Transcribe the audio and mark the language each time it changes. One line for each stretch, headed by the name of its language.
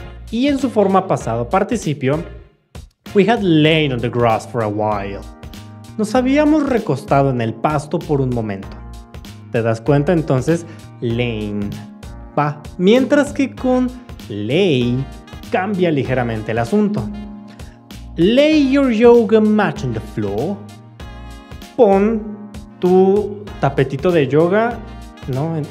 Spanish: Y en su forma pasado participio,
English: we had lain on the grass for a while.
Spanish: Nos habíamos recostado en el pasto por un momento. ¿Te das cuenta? Entonces, lain. Va. Mientras que con lay, cambia ligeramente el asunto.
English: Lay your yoga mat on the floor.
Spanish: Pon tu tapetito de yoga, ¿no?